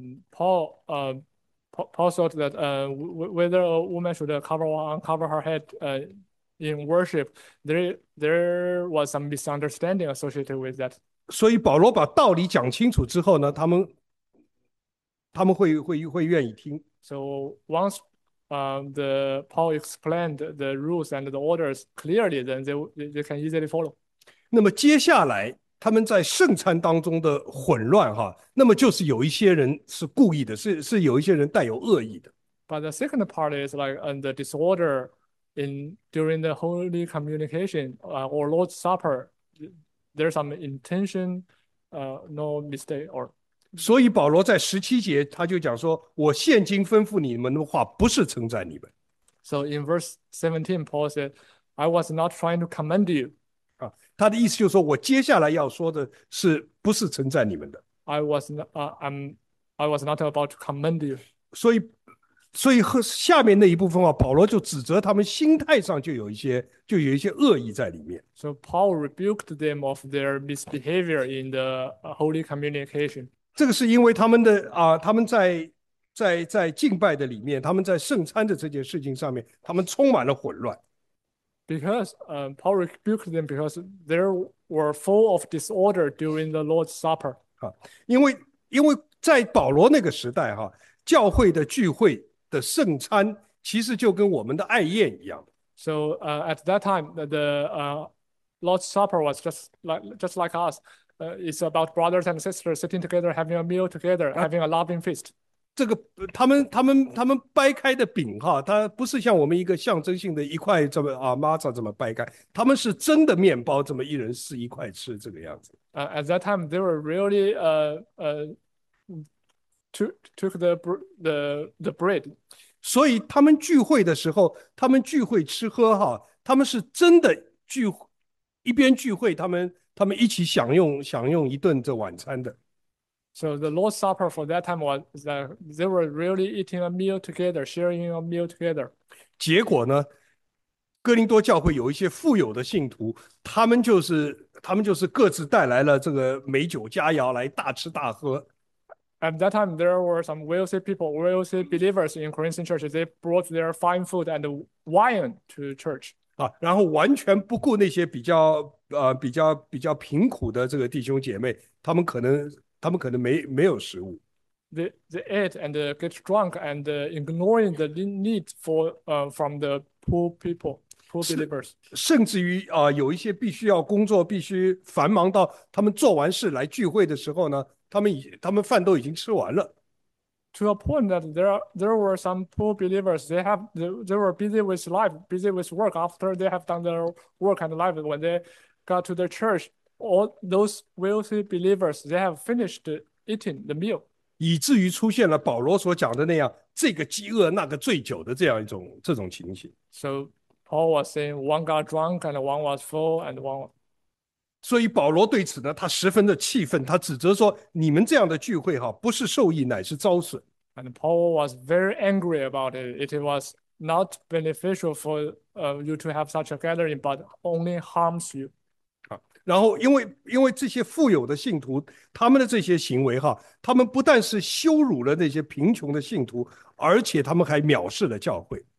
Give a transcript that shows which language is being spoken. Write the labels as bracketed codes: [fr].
[en] Paul thought that whether a woman should cover or uncover her head in worship, there was some misunderstanding associated with that. [zh] 所以保罗把道理讲清楚之后呢，他们会愿意听。 [en] So once Paul explained the rules and the orders clearly, then they can easily follow. [zh] 那么接下来他们在圣餐当中的混乱哈，那么就是有一些人是故意的，是有一些人带有恶意的。 [en] But the second part is like the disorder during the Holy Communication or Lord's Supper. There's some intention no mistake or [zh] 所以保罗在17节他就讲说：“我现今吩咐你们的话，不是称赞你们。 [en] So in verse 17, Paul said, I was not trying to commend you. [zh] 他的意思就是说我接下来要说的是不是称赞你们的？ [en] I was not about to commend you. [zh] 所以和下面那一部分啊，保罗就指责他们心态上就有一些恶意在里面。 [en] So Paul rebuked them of their misbehavior in the holy communication. [zh] 这个是因为他们的他们在敬拜的里面，他们在圣餐的这件事情上面，他们充满了混乱。 [en] Because Paul rebuked them because they were full of disorder during the Lord's Supper. [zh] 因为在保罗那个时代教会的聚会的圣餐其实就跟我们的爱宴一样。 [en] So at that time, the Lord's Supper was just like us. It's about brothers and sisters sitting together, having a meal together, having a loving feast. [zh] 这个他们掰开的饼它不是像我们一个象征性的一块这么matzah 这么掰开，他们是真的面包，这么一人撕一块吃这个样子。 [en] At that time, they were really took the bread. [zh] 所以他们聚会的时候，他们聚会吃喝他们是真的聚，一边聚会，他们一起享用一顿这晚餐的。 [en] So the Lord's Supper for that time was that they were really eating a meal together, sharing a meal together. [zh] 结果呢，哥林多教会有一些富有的信徒，他们就是各自带来了这个美酒佳肴来大吃大喝。 [en] At that time, there were some wealthy people, wealthy believers in Corinthian churches. They brought their fine food and wine to church. [zh] 然后完全不顾那些比较贫苦的这个弟兄姐妹，他们可能没有食物。 [en] They ate and get drunk and ignoring the need from the poor people, poor believers. [zh] 甚至于有一些必须要工作、必须繁忙到他们做完事来聚会的时候呢，他们饭都已经吃完了。 [en] To a point that there were some poor believers. They were busy with life, busy with work. After they have done their work and life, when they got to the church, all those wealthy believers, they have finished eating the meal. [zh] 以至于出现了保罗所讲的那样，这个饥饿，那个醉酒的这种情形。 [en] So Paul was saying, one got drunk and one was full and one. [zh] 所以保罗对此呢，他十分的气愤，他指责说：“你们这样的聚会不是受益，乃是遭损。 [en] And Paul was very angry about it. It was not beneficial for you to have such a gathering, but only harms you. [zh] 然后因为这些富有的信徒，他们的这些行为他们不但是羞辱了那些贫穷的信徒，而且他们还藐视了教会。